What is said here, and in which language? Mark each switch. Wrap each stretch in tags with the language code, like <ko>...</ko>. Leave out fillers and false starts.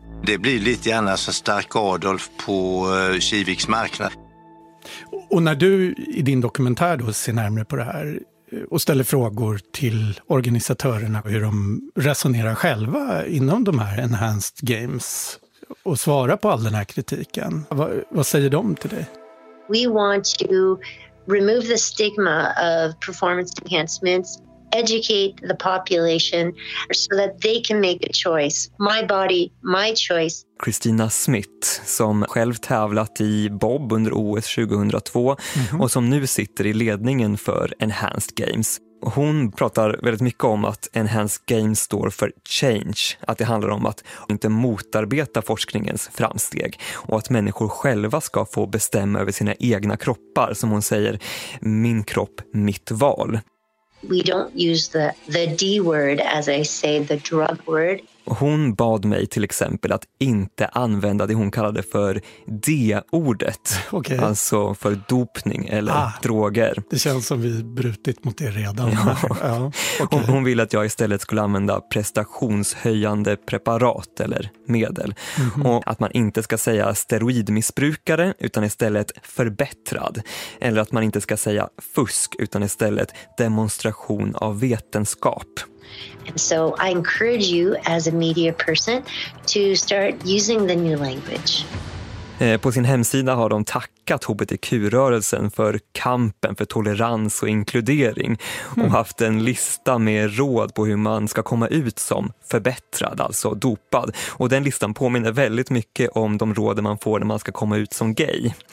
<sv>Det blir lite grann så Stark Adolf på Kiviks marknad. Och när du i din dokumentär då ser närmare på det här och ställer frågor till organisatörerna hur de resonerar själva inom de här Enhanced Games, och svara på all den här kritiken, vad säger de till dig?</sv> <en>We want to remove the stigma of performance enhancements, educate the population so that they can make a choice. My body, my choice.</en> <sv>Christina Smith, som själv tävlat i bob under OS 2002 och som nu sitter i ledningen för Enhanced Games. Hon pratar väldigt mycket om att Enhanced Games står för change. Att det handlar om att inte motarbeta forskningens framsteg. Och att människor själva ska få bestämma över sina egna kroppar. Som hon säger, min kropp, mitt val.</sv> <en>We don't use the D word, as I say, the drug word.</en> <sv>Hon bad mig till exempel att inte använda det hon kallade för D-ordet. Okay. Alltså för dopning eller droger. Det känns som vi brutit mot det redan. Ja. Okay. Hon ville att jag istället skulle använda prestationshöjande preparat eller medel. Mm-hmm. Och att man inte ska säga steroidmissbrukare utan istället förbättrad. Eller att man inte ska säga fusk utan istället demonstration av vetenskap.</sv> <en>And so I encourage you as a media person to start using the new language.</en> <sv>På sin hemsida har de tackat HBTQ-rörelsen för kampen för tolerans och inkludering och haft en lista med råd på hur man ska komma ut som förbättrad, alltså dopad. Och den listan påminner väldigt mycket om de råd man får när man ska komma ut som gay.</sv>